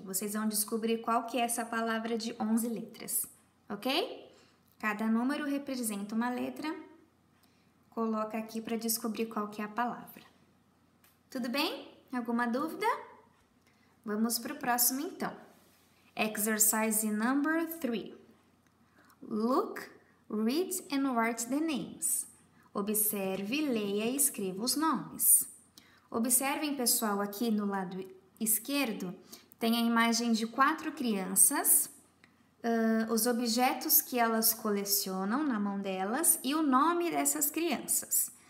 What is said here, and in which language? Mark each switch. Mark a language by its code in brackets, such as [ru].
[pt] Vocês vão descobrir qual que é essa palavra de 11 letras, ok? Cada número representa uma letra. Coloca aqui para descobrir qual que é a palavra. Tudo bem? Alguma dúvida? Vamos para o próximo, então. [en] Exercise number 3. Look, read and write the names. [pt] Observe, leia e escreva os nomes. Observem, pessoal, aqui no lado esquerdo, tem a imagem de 4 crianças, os objetos que elas colecionam na mão delas e o nome dessas crianças.